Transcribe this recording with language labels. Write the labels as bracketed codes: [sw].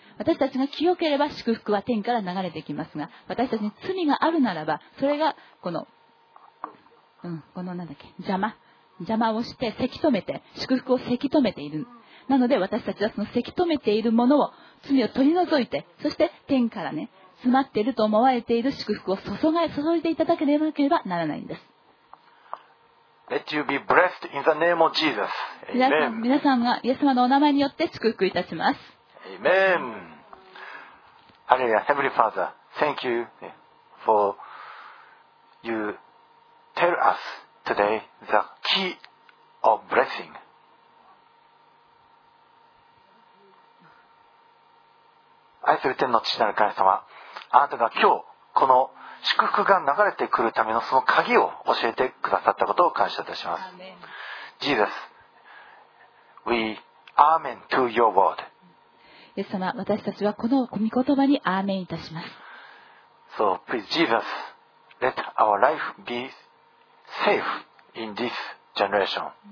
[ja] 私たちが清ければ祝福は天から流れてきますが、私たちに罪があるならば、それがこの、このなんだっけ、邪魔をして、せき止めて、祝福をせき止めている。なので私たちはそのせき止めているものを、罪を取り除いて、そして天からね、詰まっていると思われている祝福を注いでいただけなければならないんです。 [en] Let you be blessed in the name of Jesus. Amen. [ja] 皆さんがイエス様のお名前によって祝福いたします。 [en] Amen. Hallelujah. Heavenly Father, thank you for you tell us today the key of blessing. [ja] 愛する天の父なる神様、あなたが今日この祝福が流れてくるためのその鍵を教えてくださったことを感謝いたします。 [en] Jesus, we amen to your word. [ja] イエス様、私たちはこの御言葉にアーメンいたします。 [en] So please, Jesus, let our life be safe in this generation.